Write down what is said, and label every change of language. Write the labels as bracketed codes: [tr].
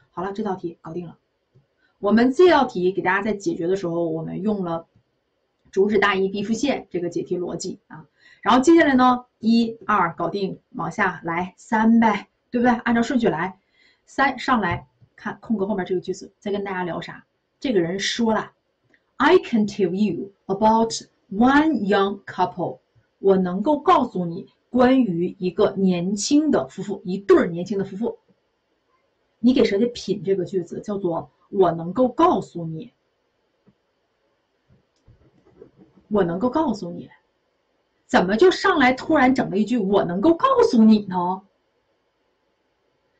[zh] 好了，这道题搞定了。我们这道题给大家在解决的时候，我们用了主旨大意 B 复限这个解题逻辑啊。然后接下来呢，一二搞定，往下来三呗，对不对？按照顺序来，三上来看空格后面这个句子，再跟大家聊啥？ [en] 这个人说了，I can tell you about one young couple。 [zh] 我能够告诉你关于一个年轻的夫妇，一对儿年轻的夫妇。你给谁的品这个句子，叫做我能够告诉你，我能够告诉你，怎么就上来突然整了一句"我能够告诉你呢"？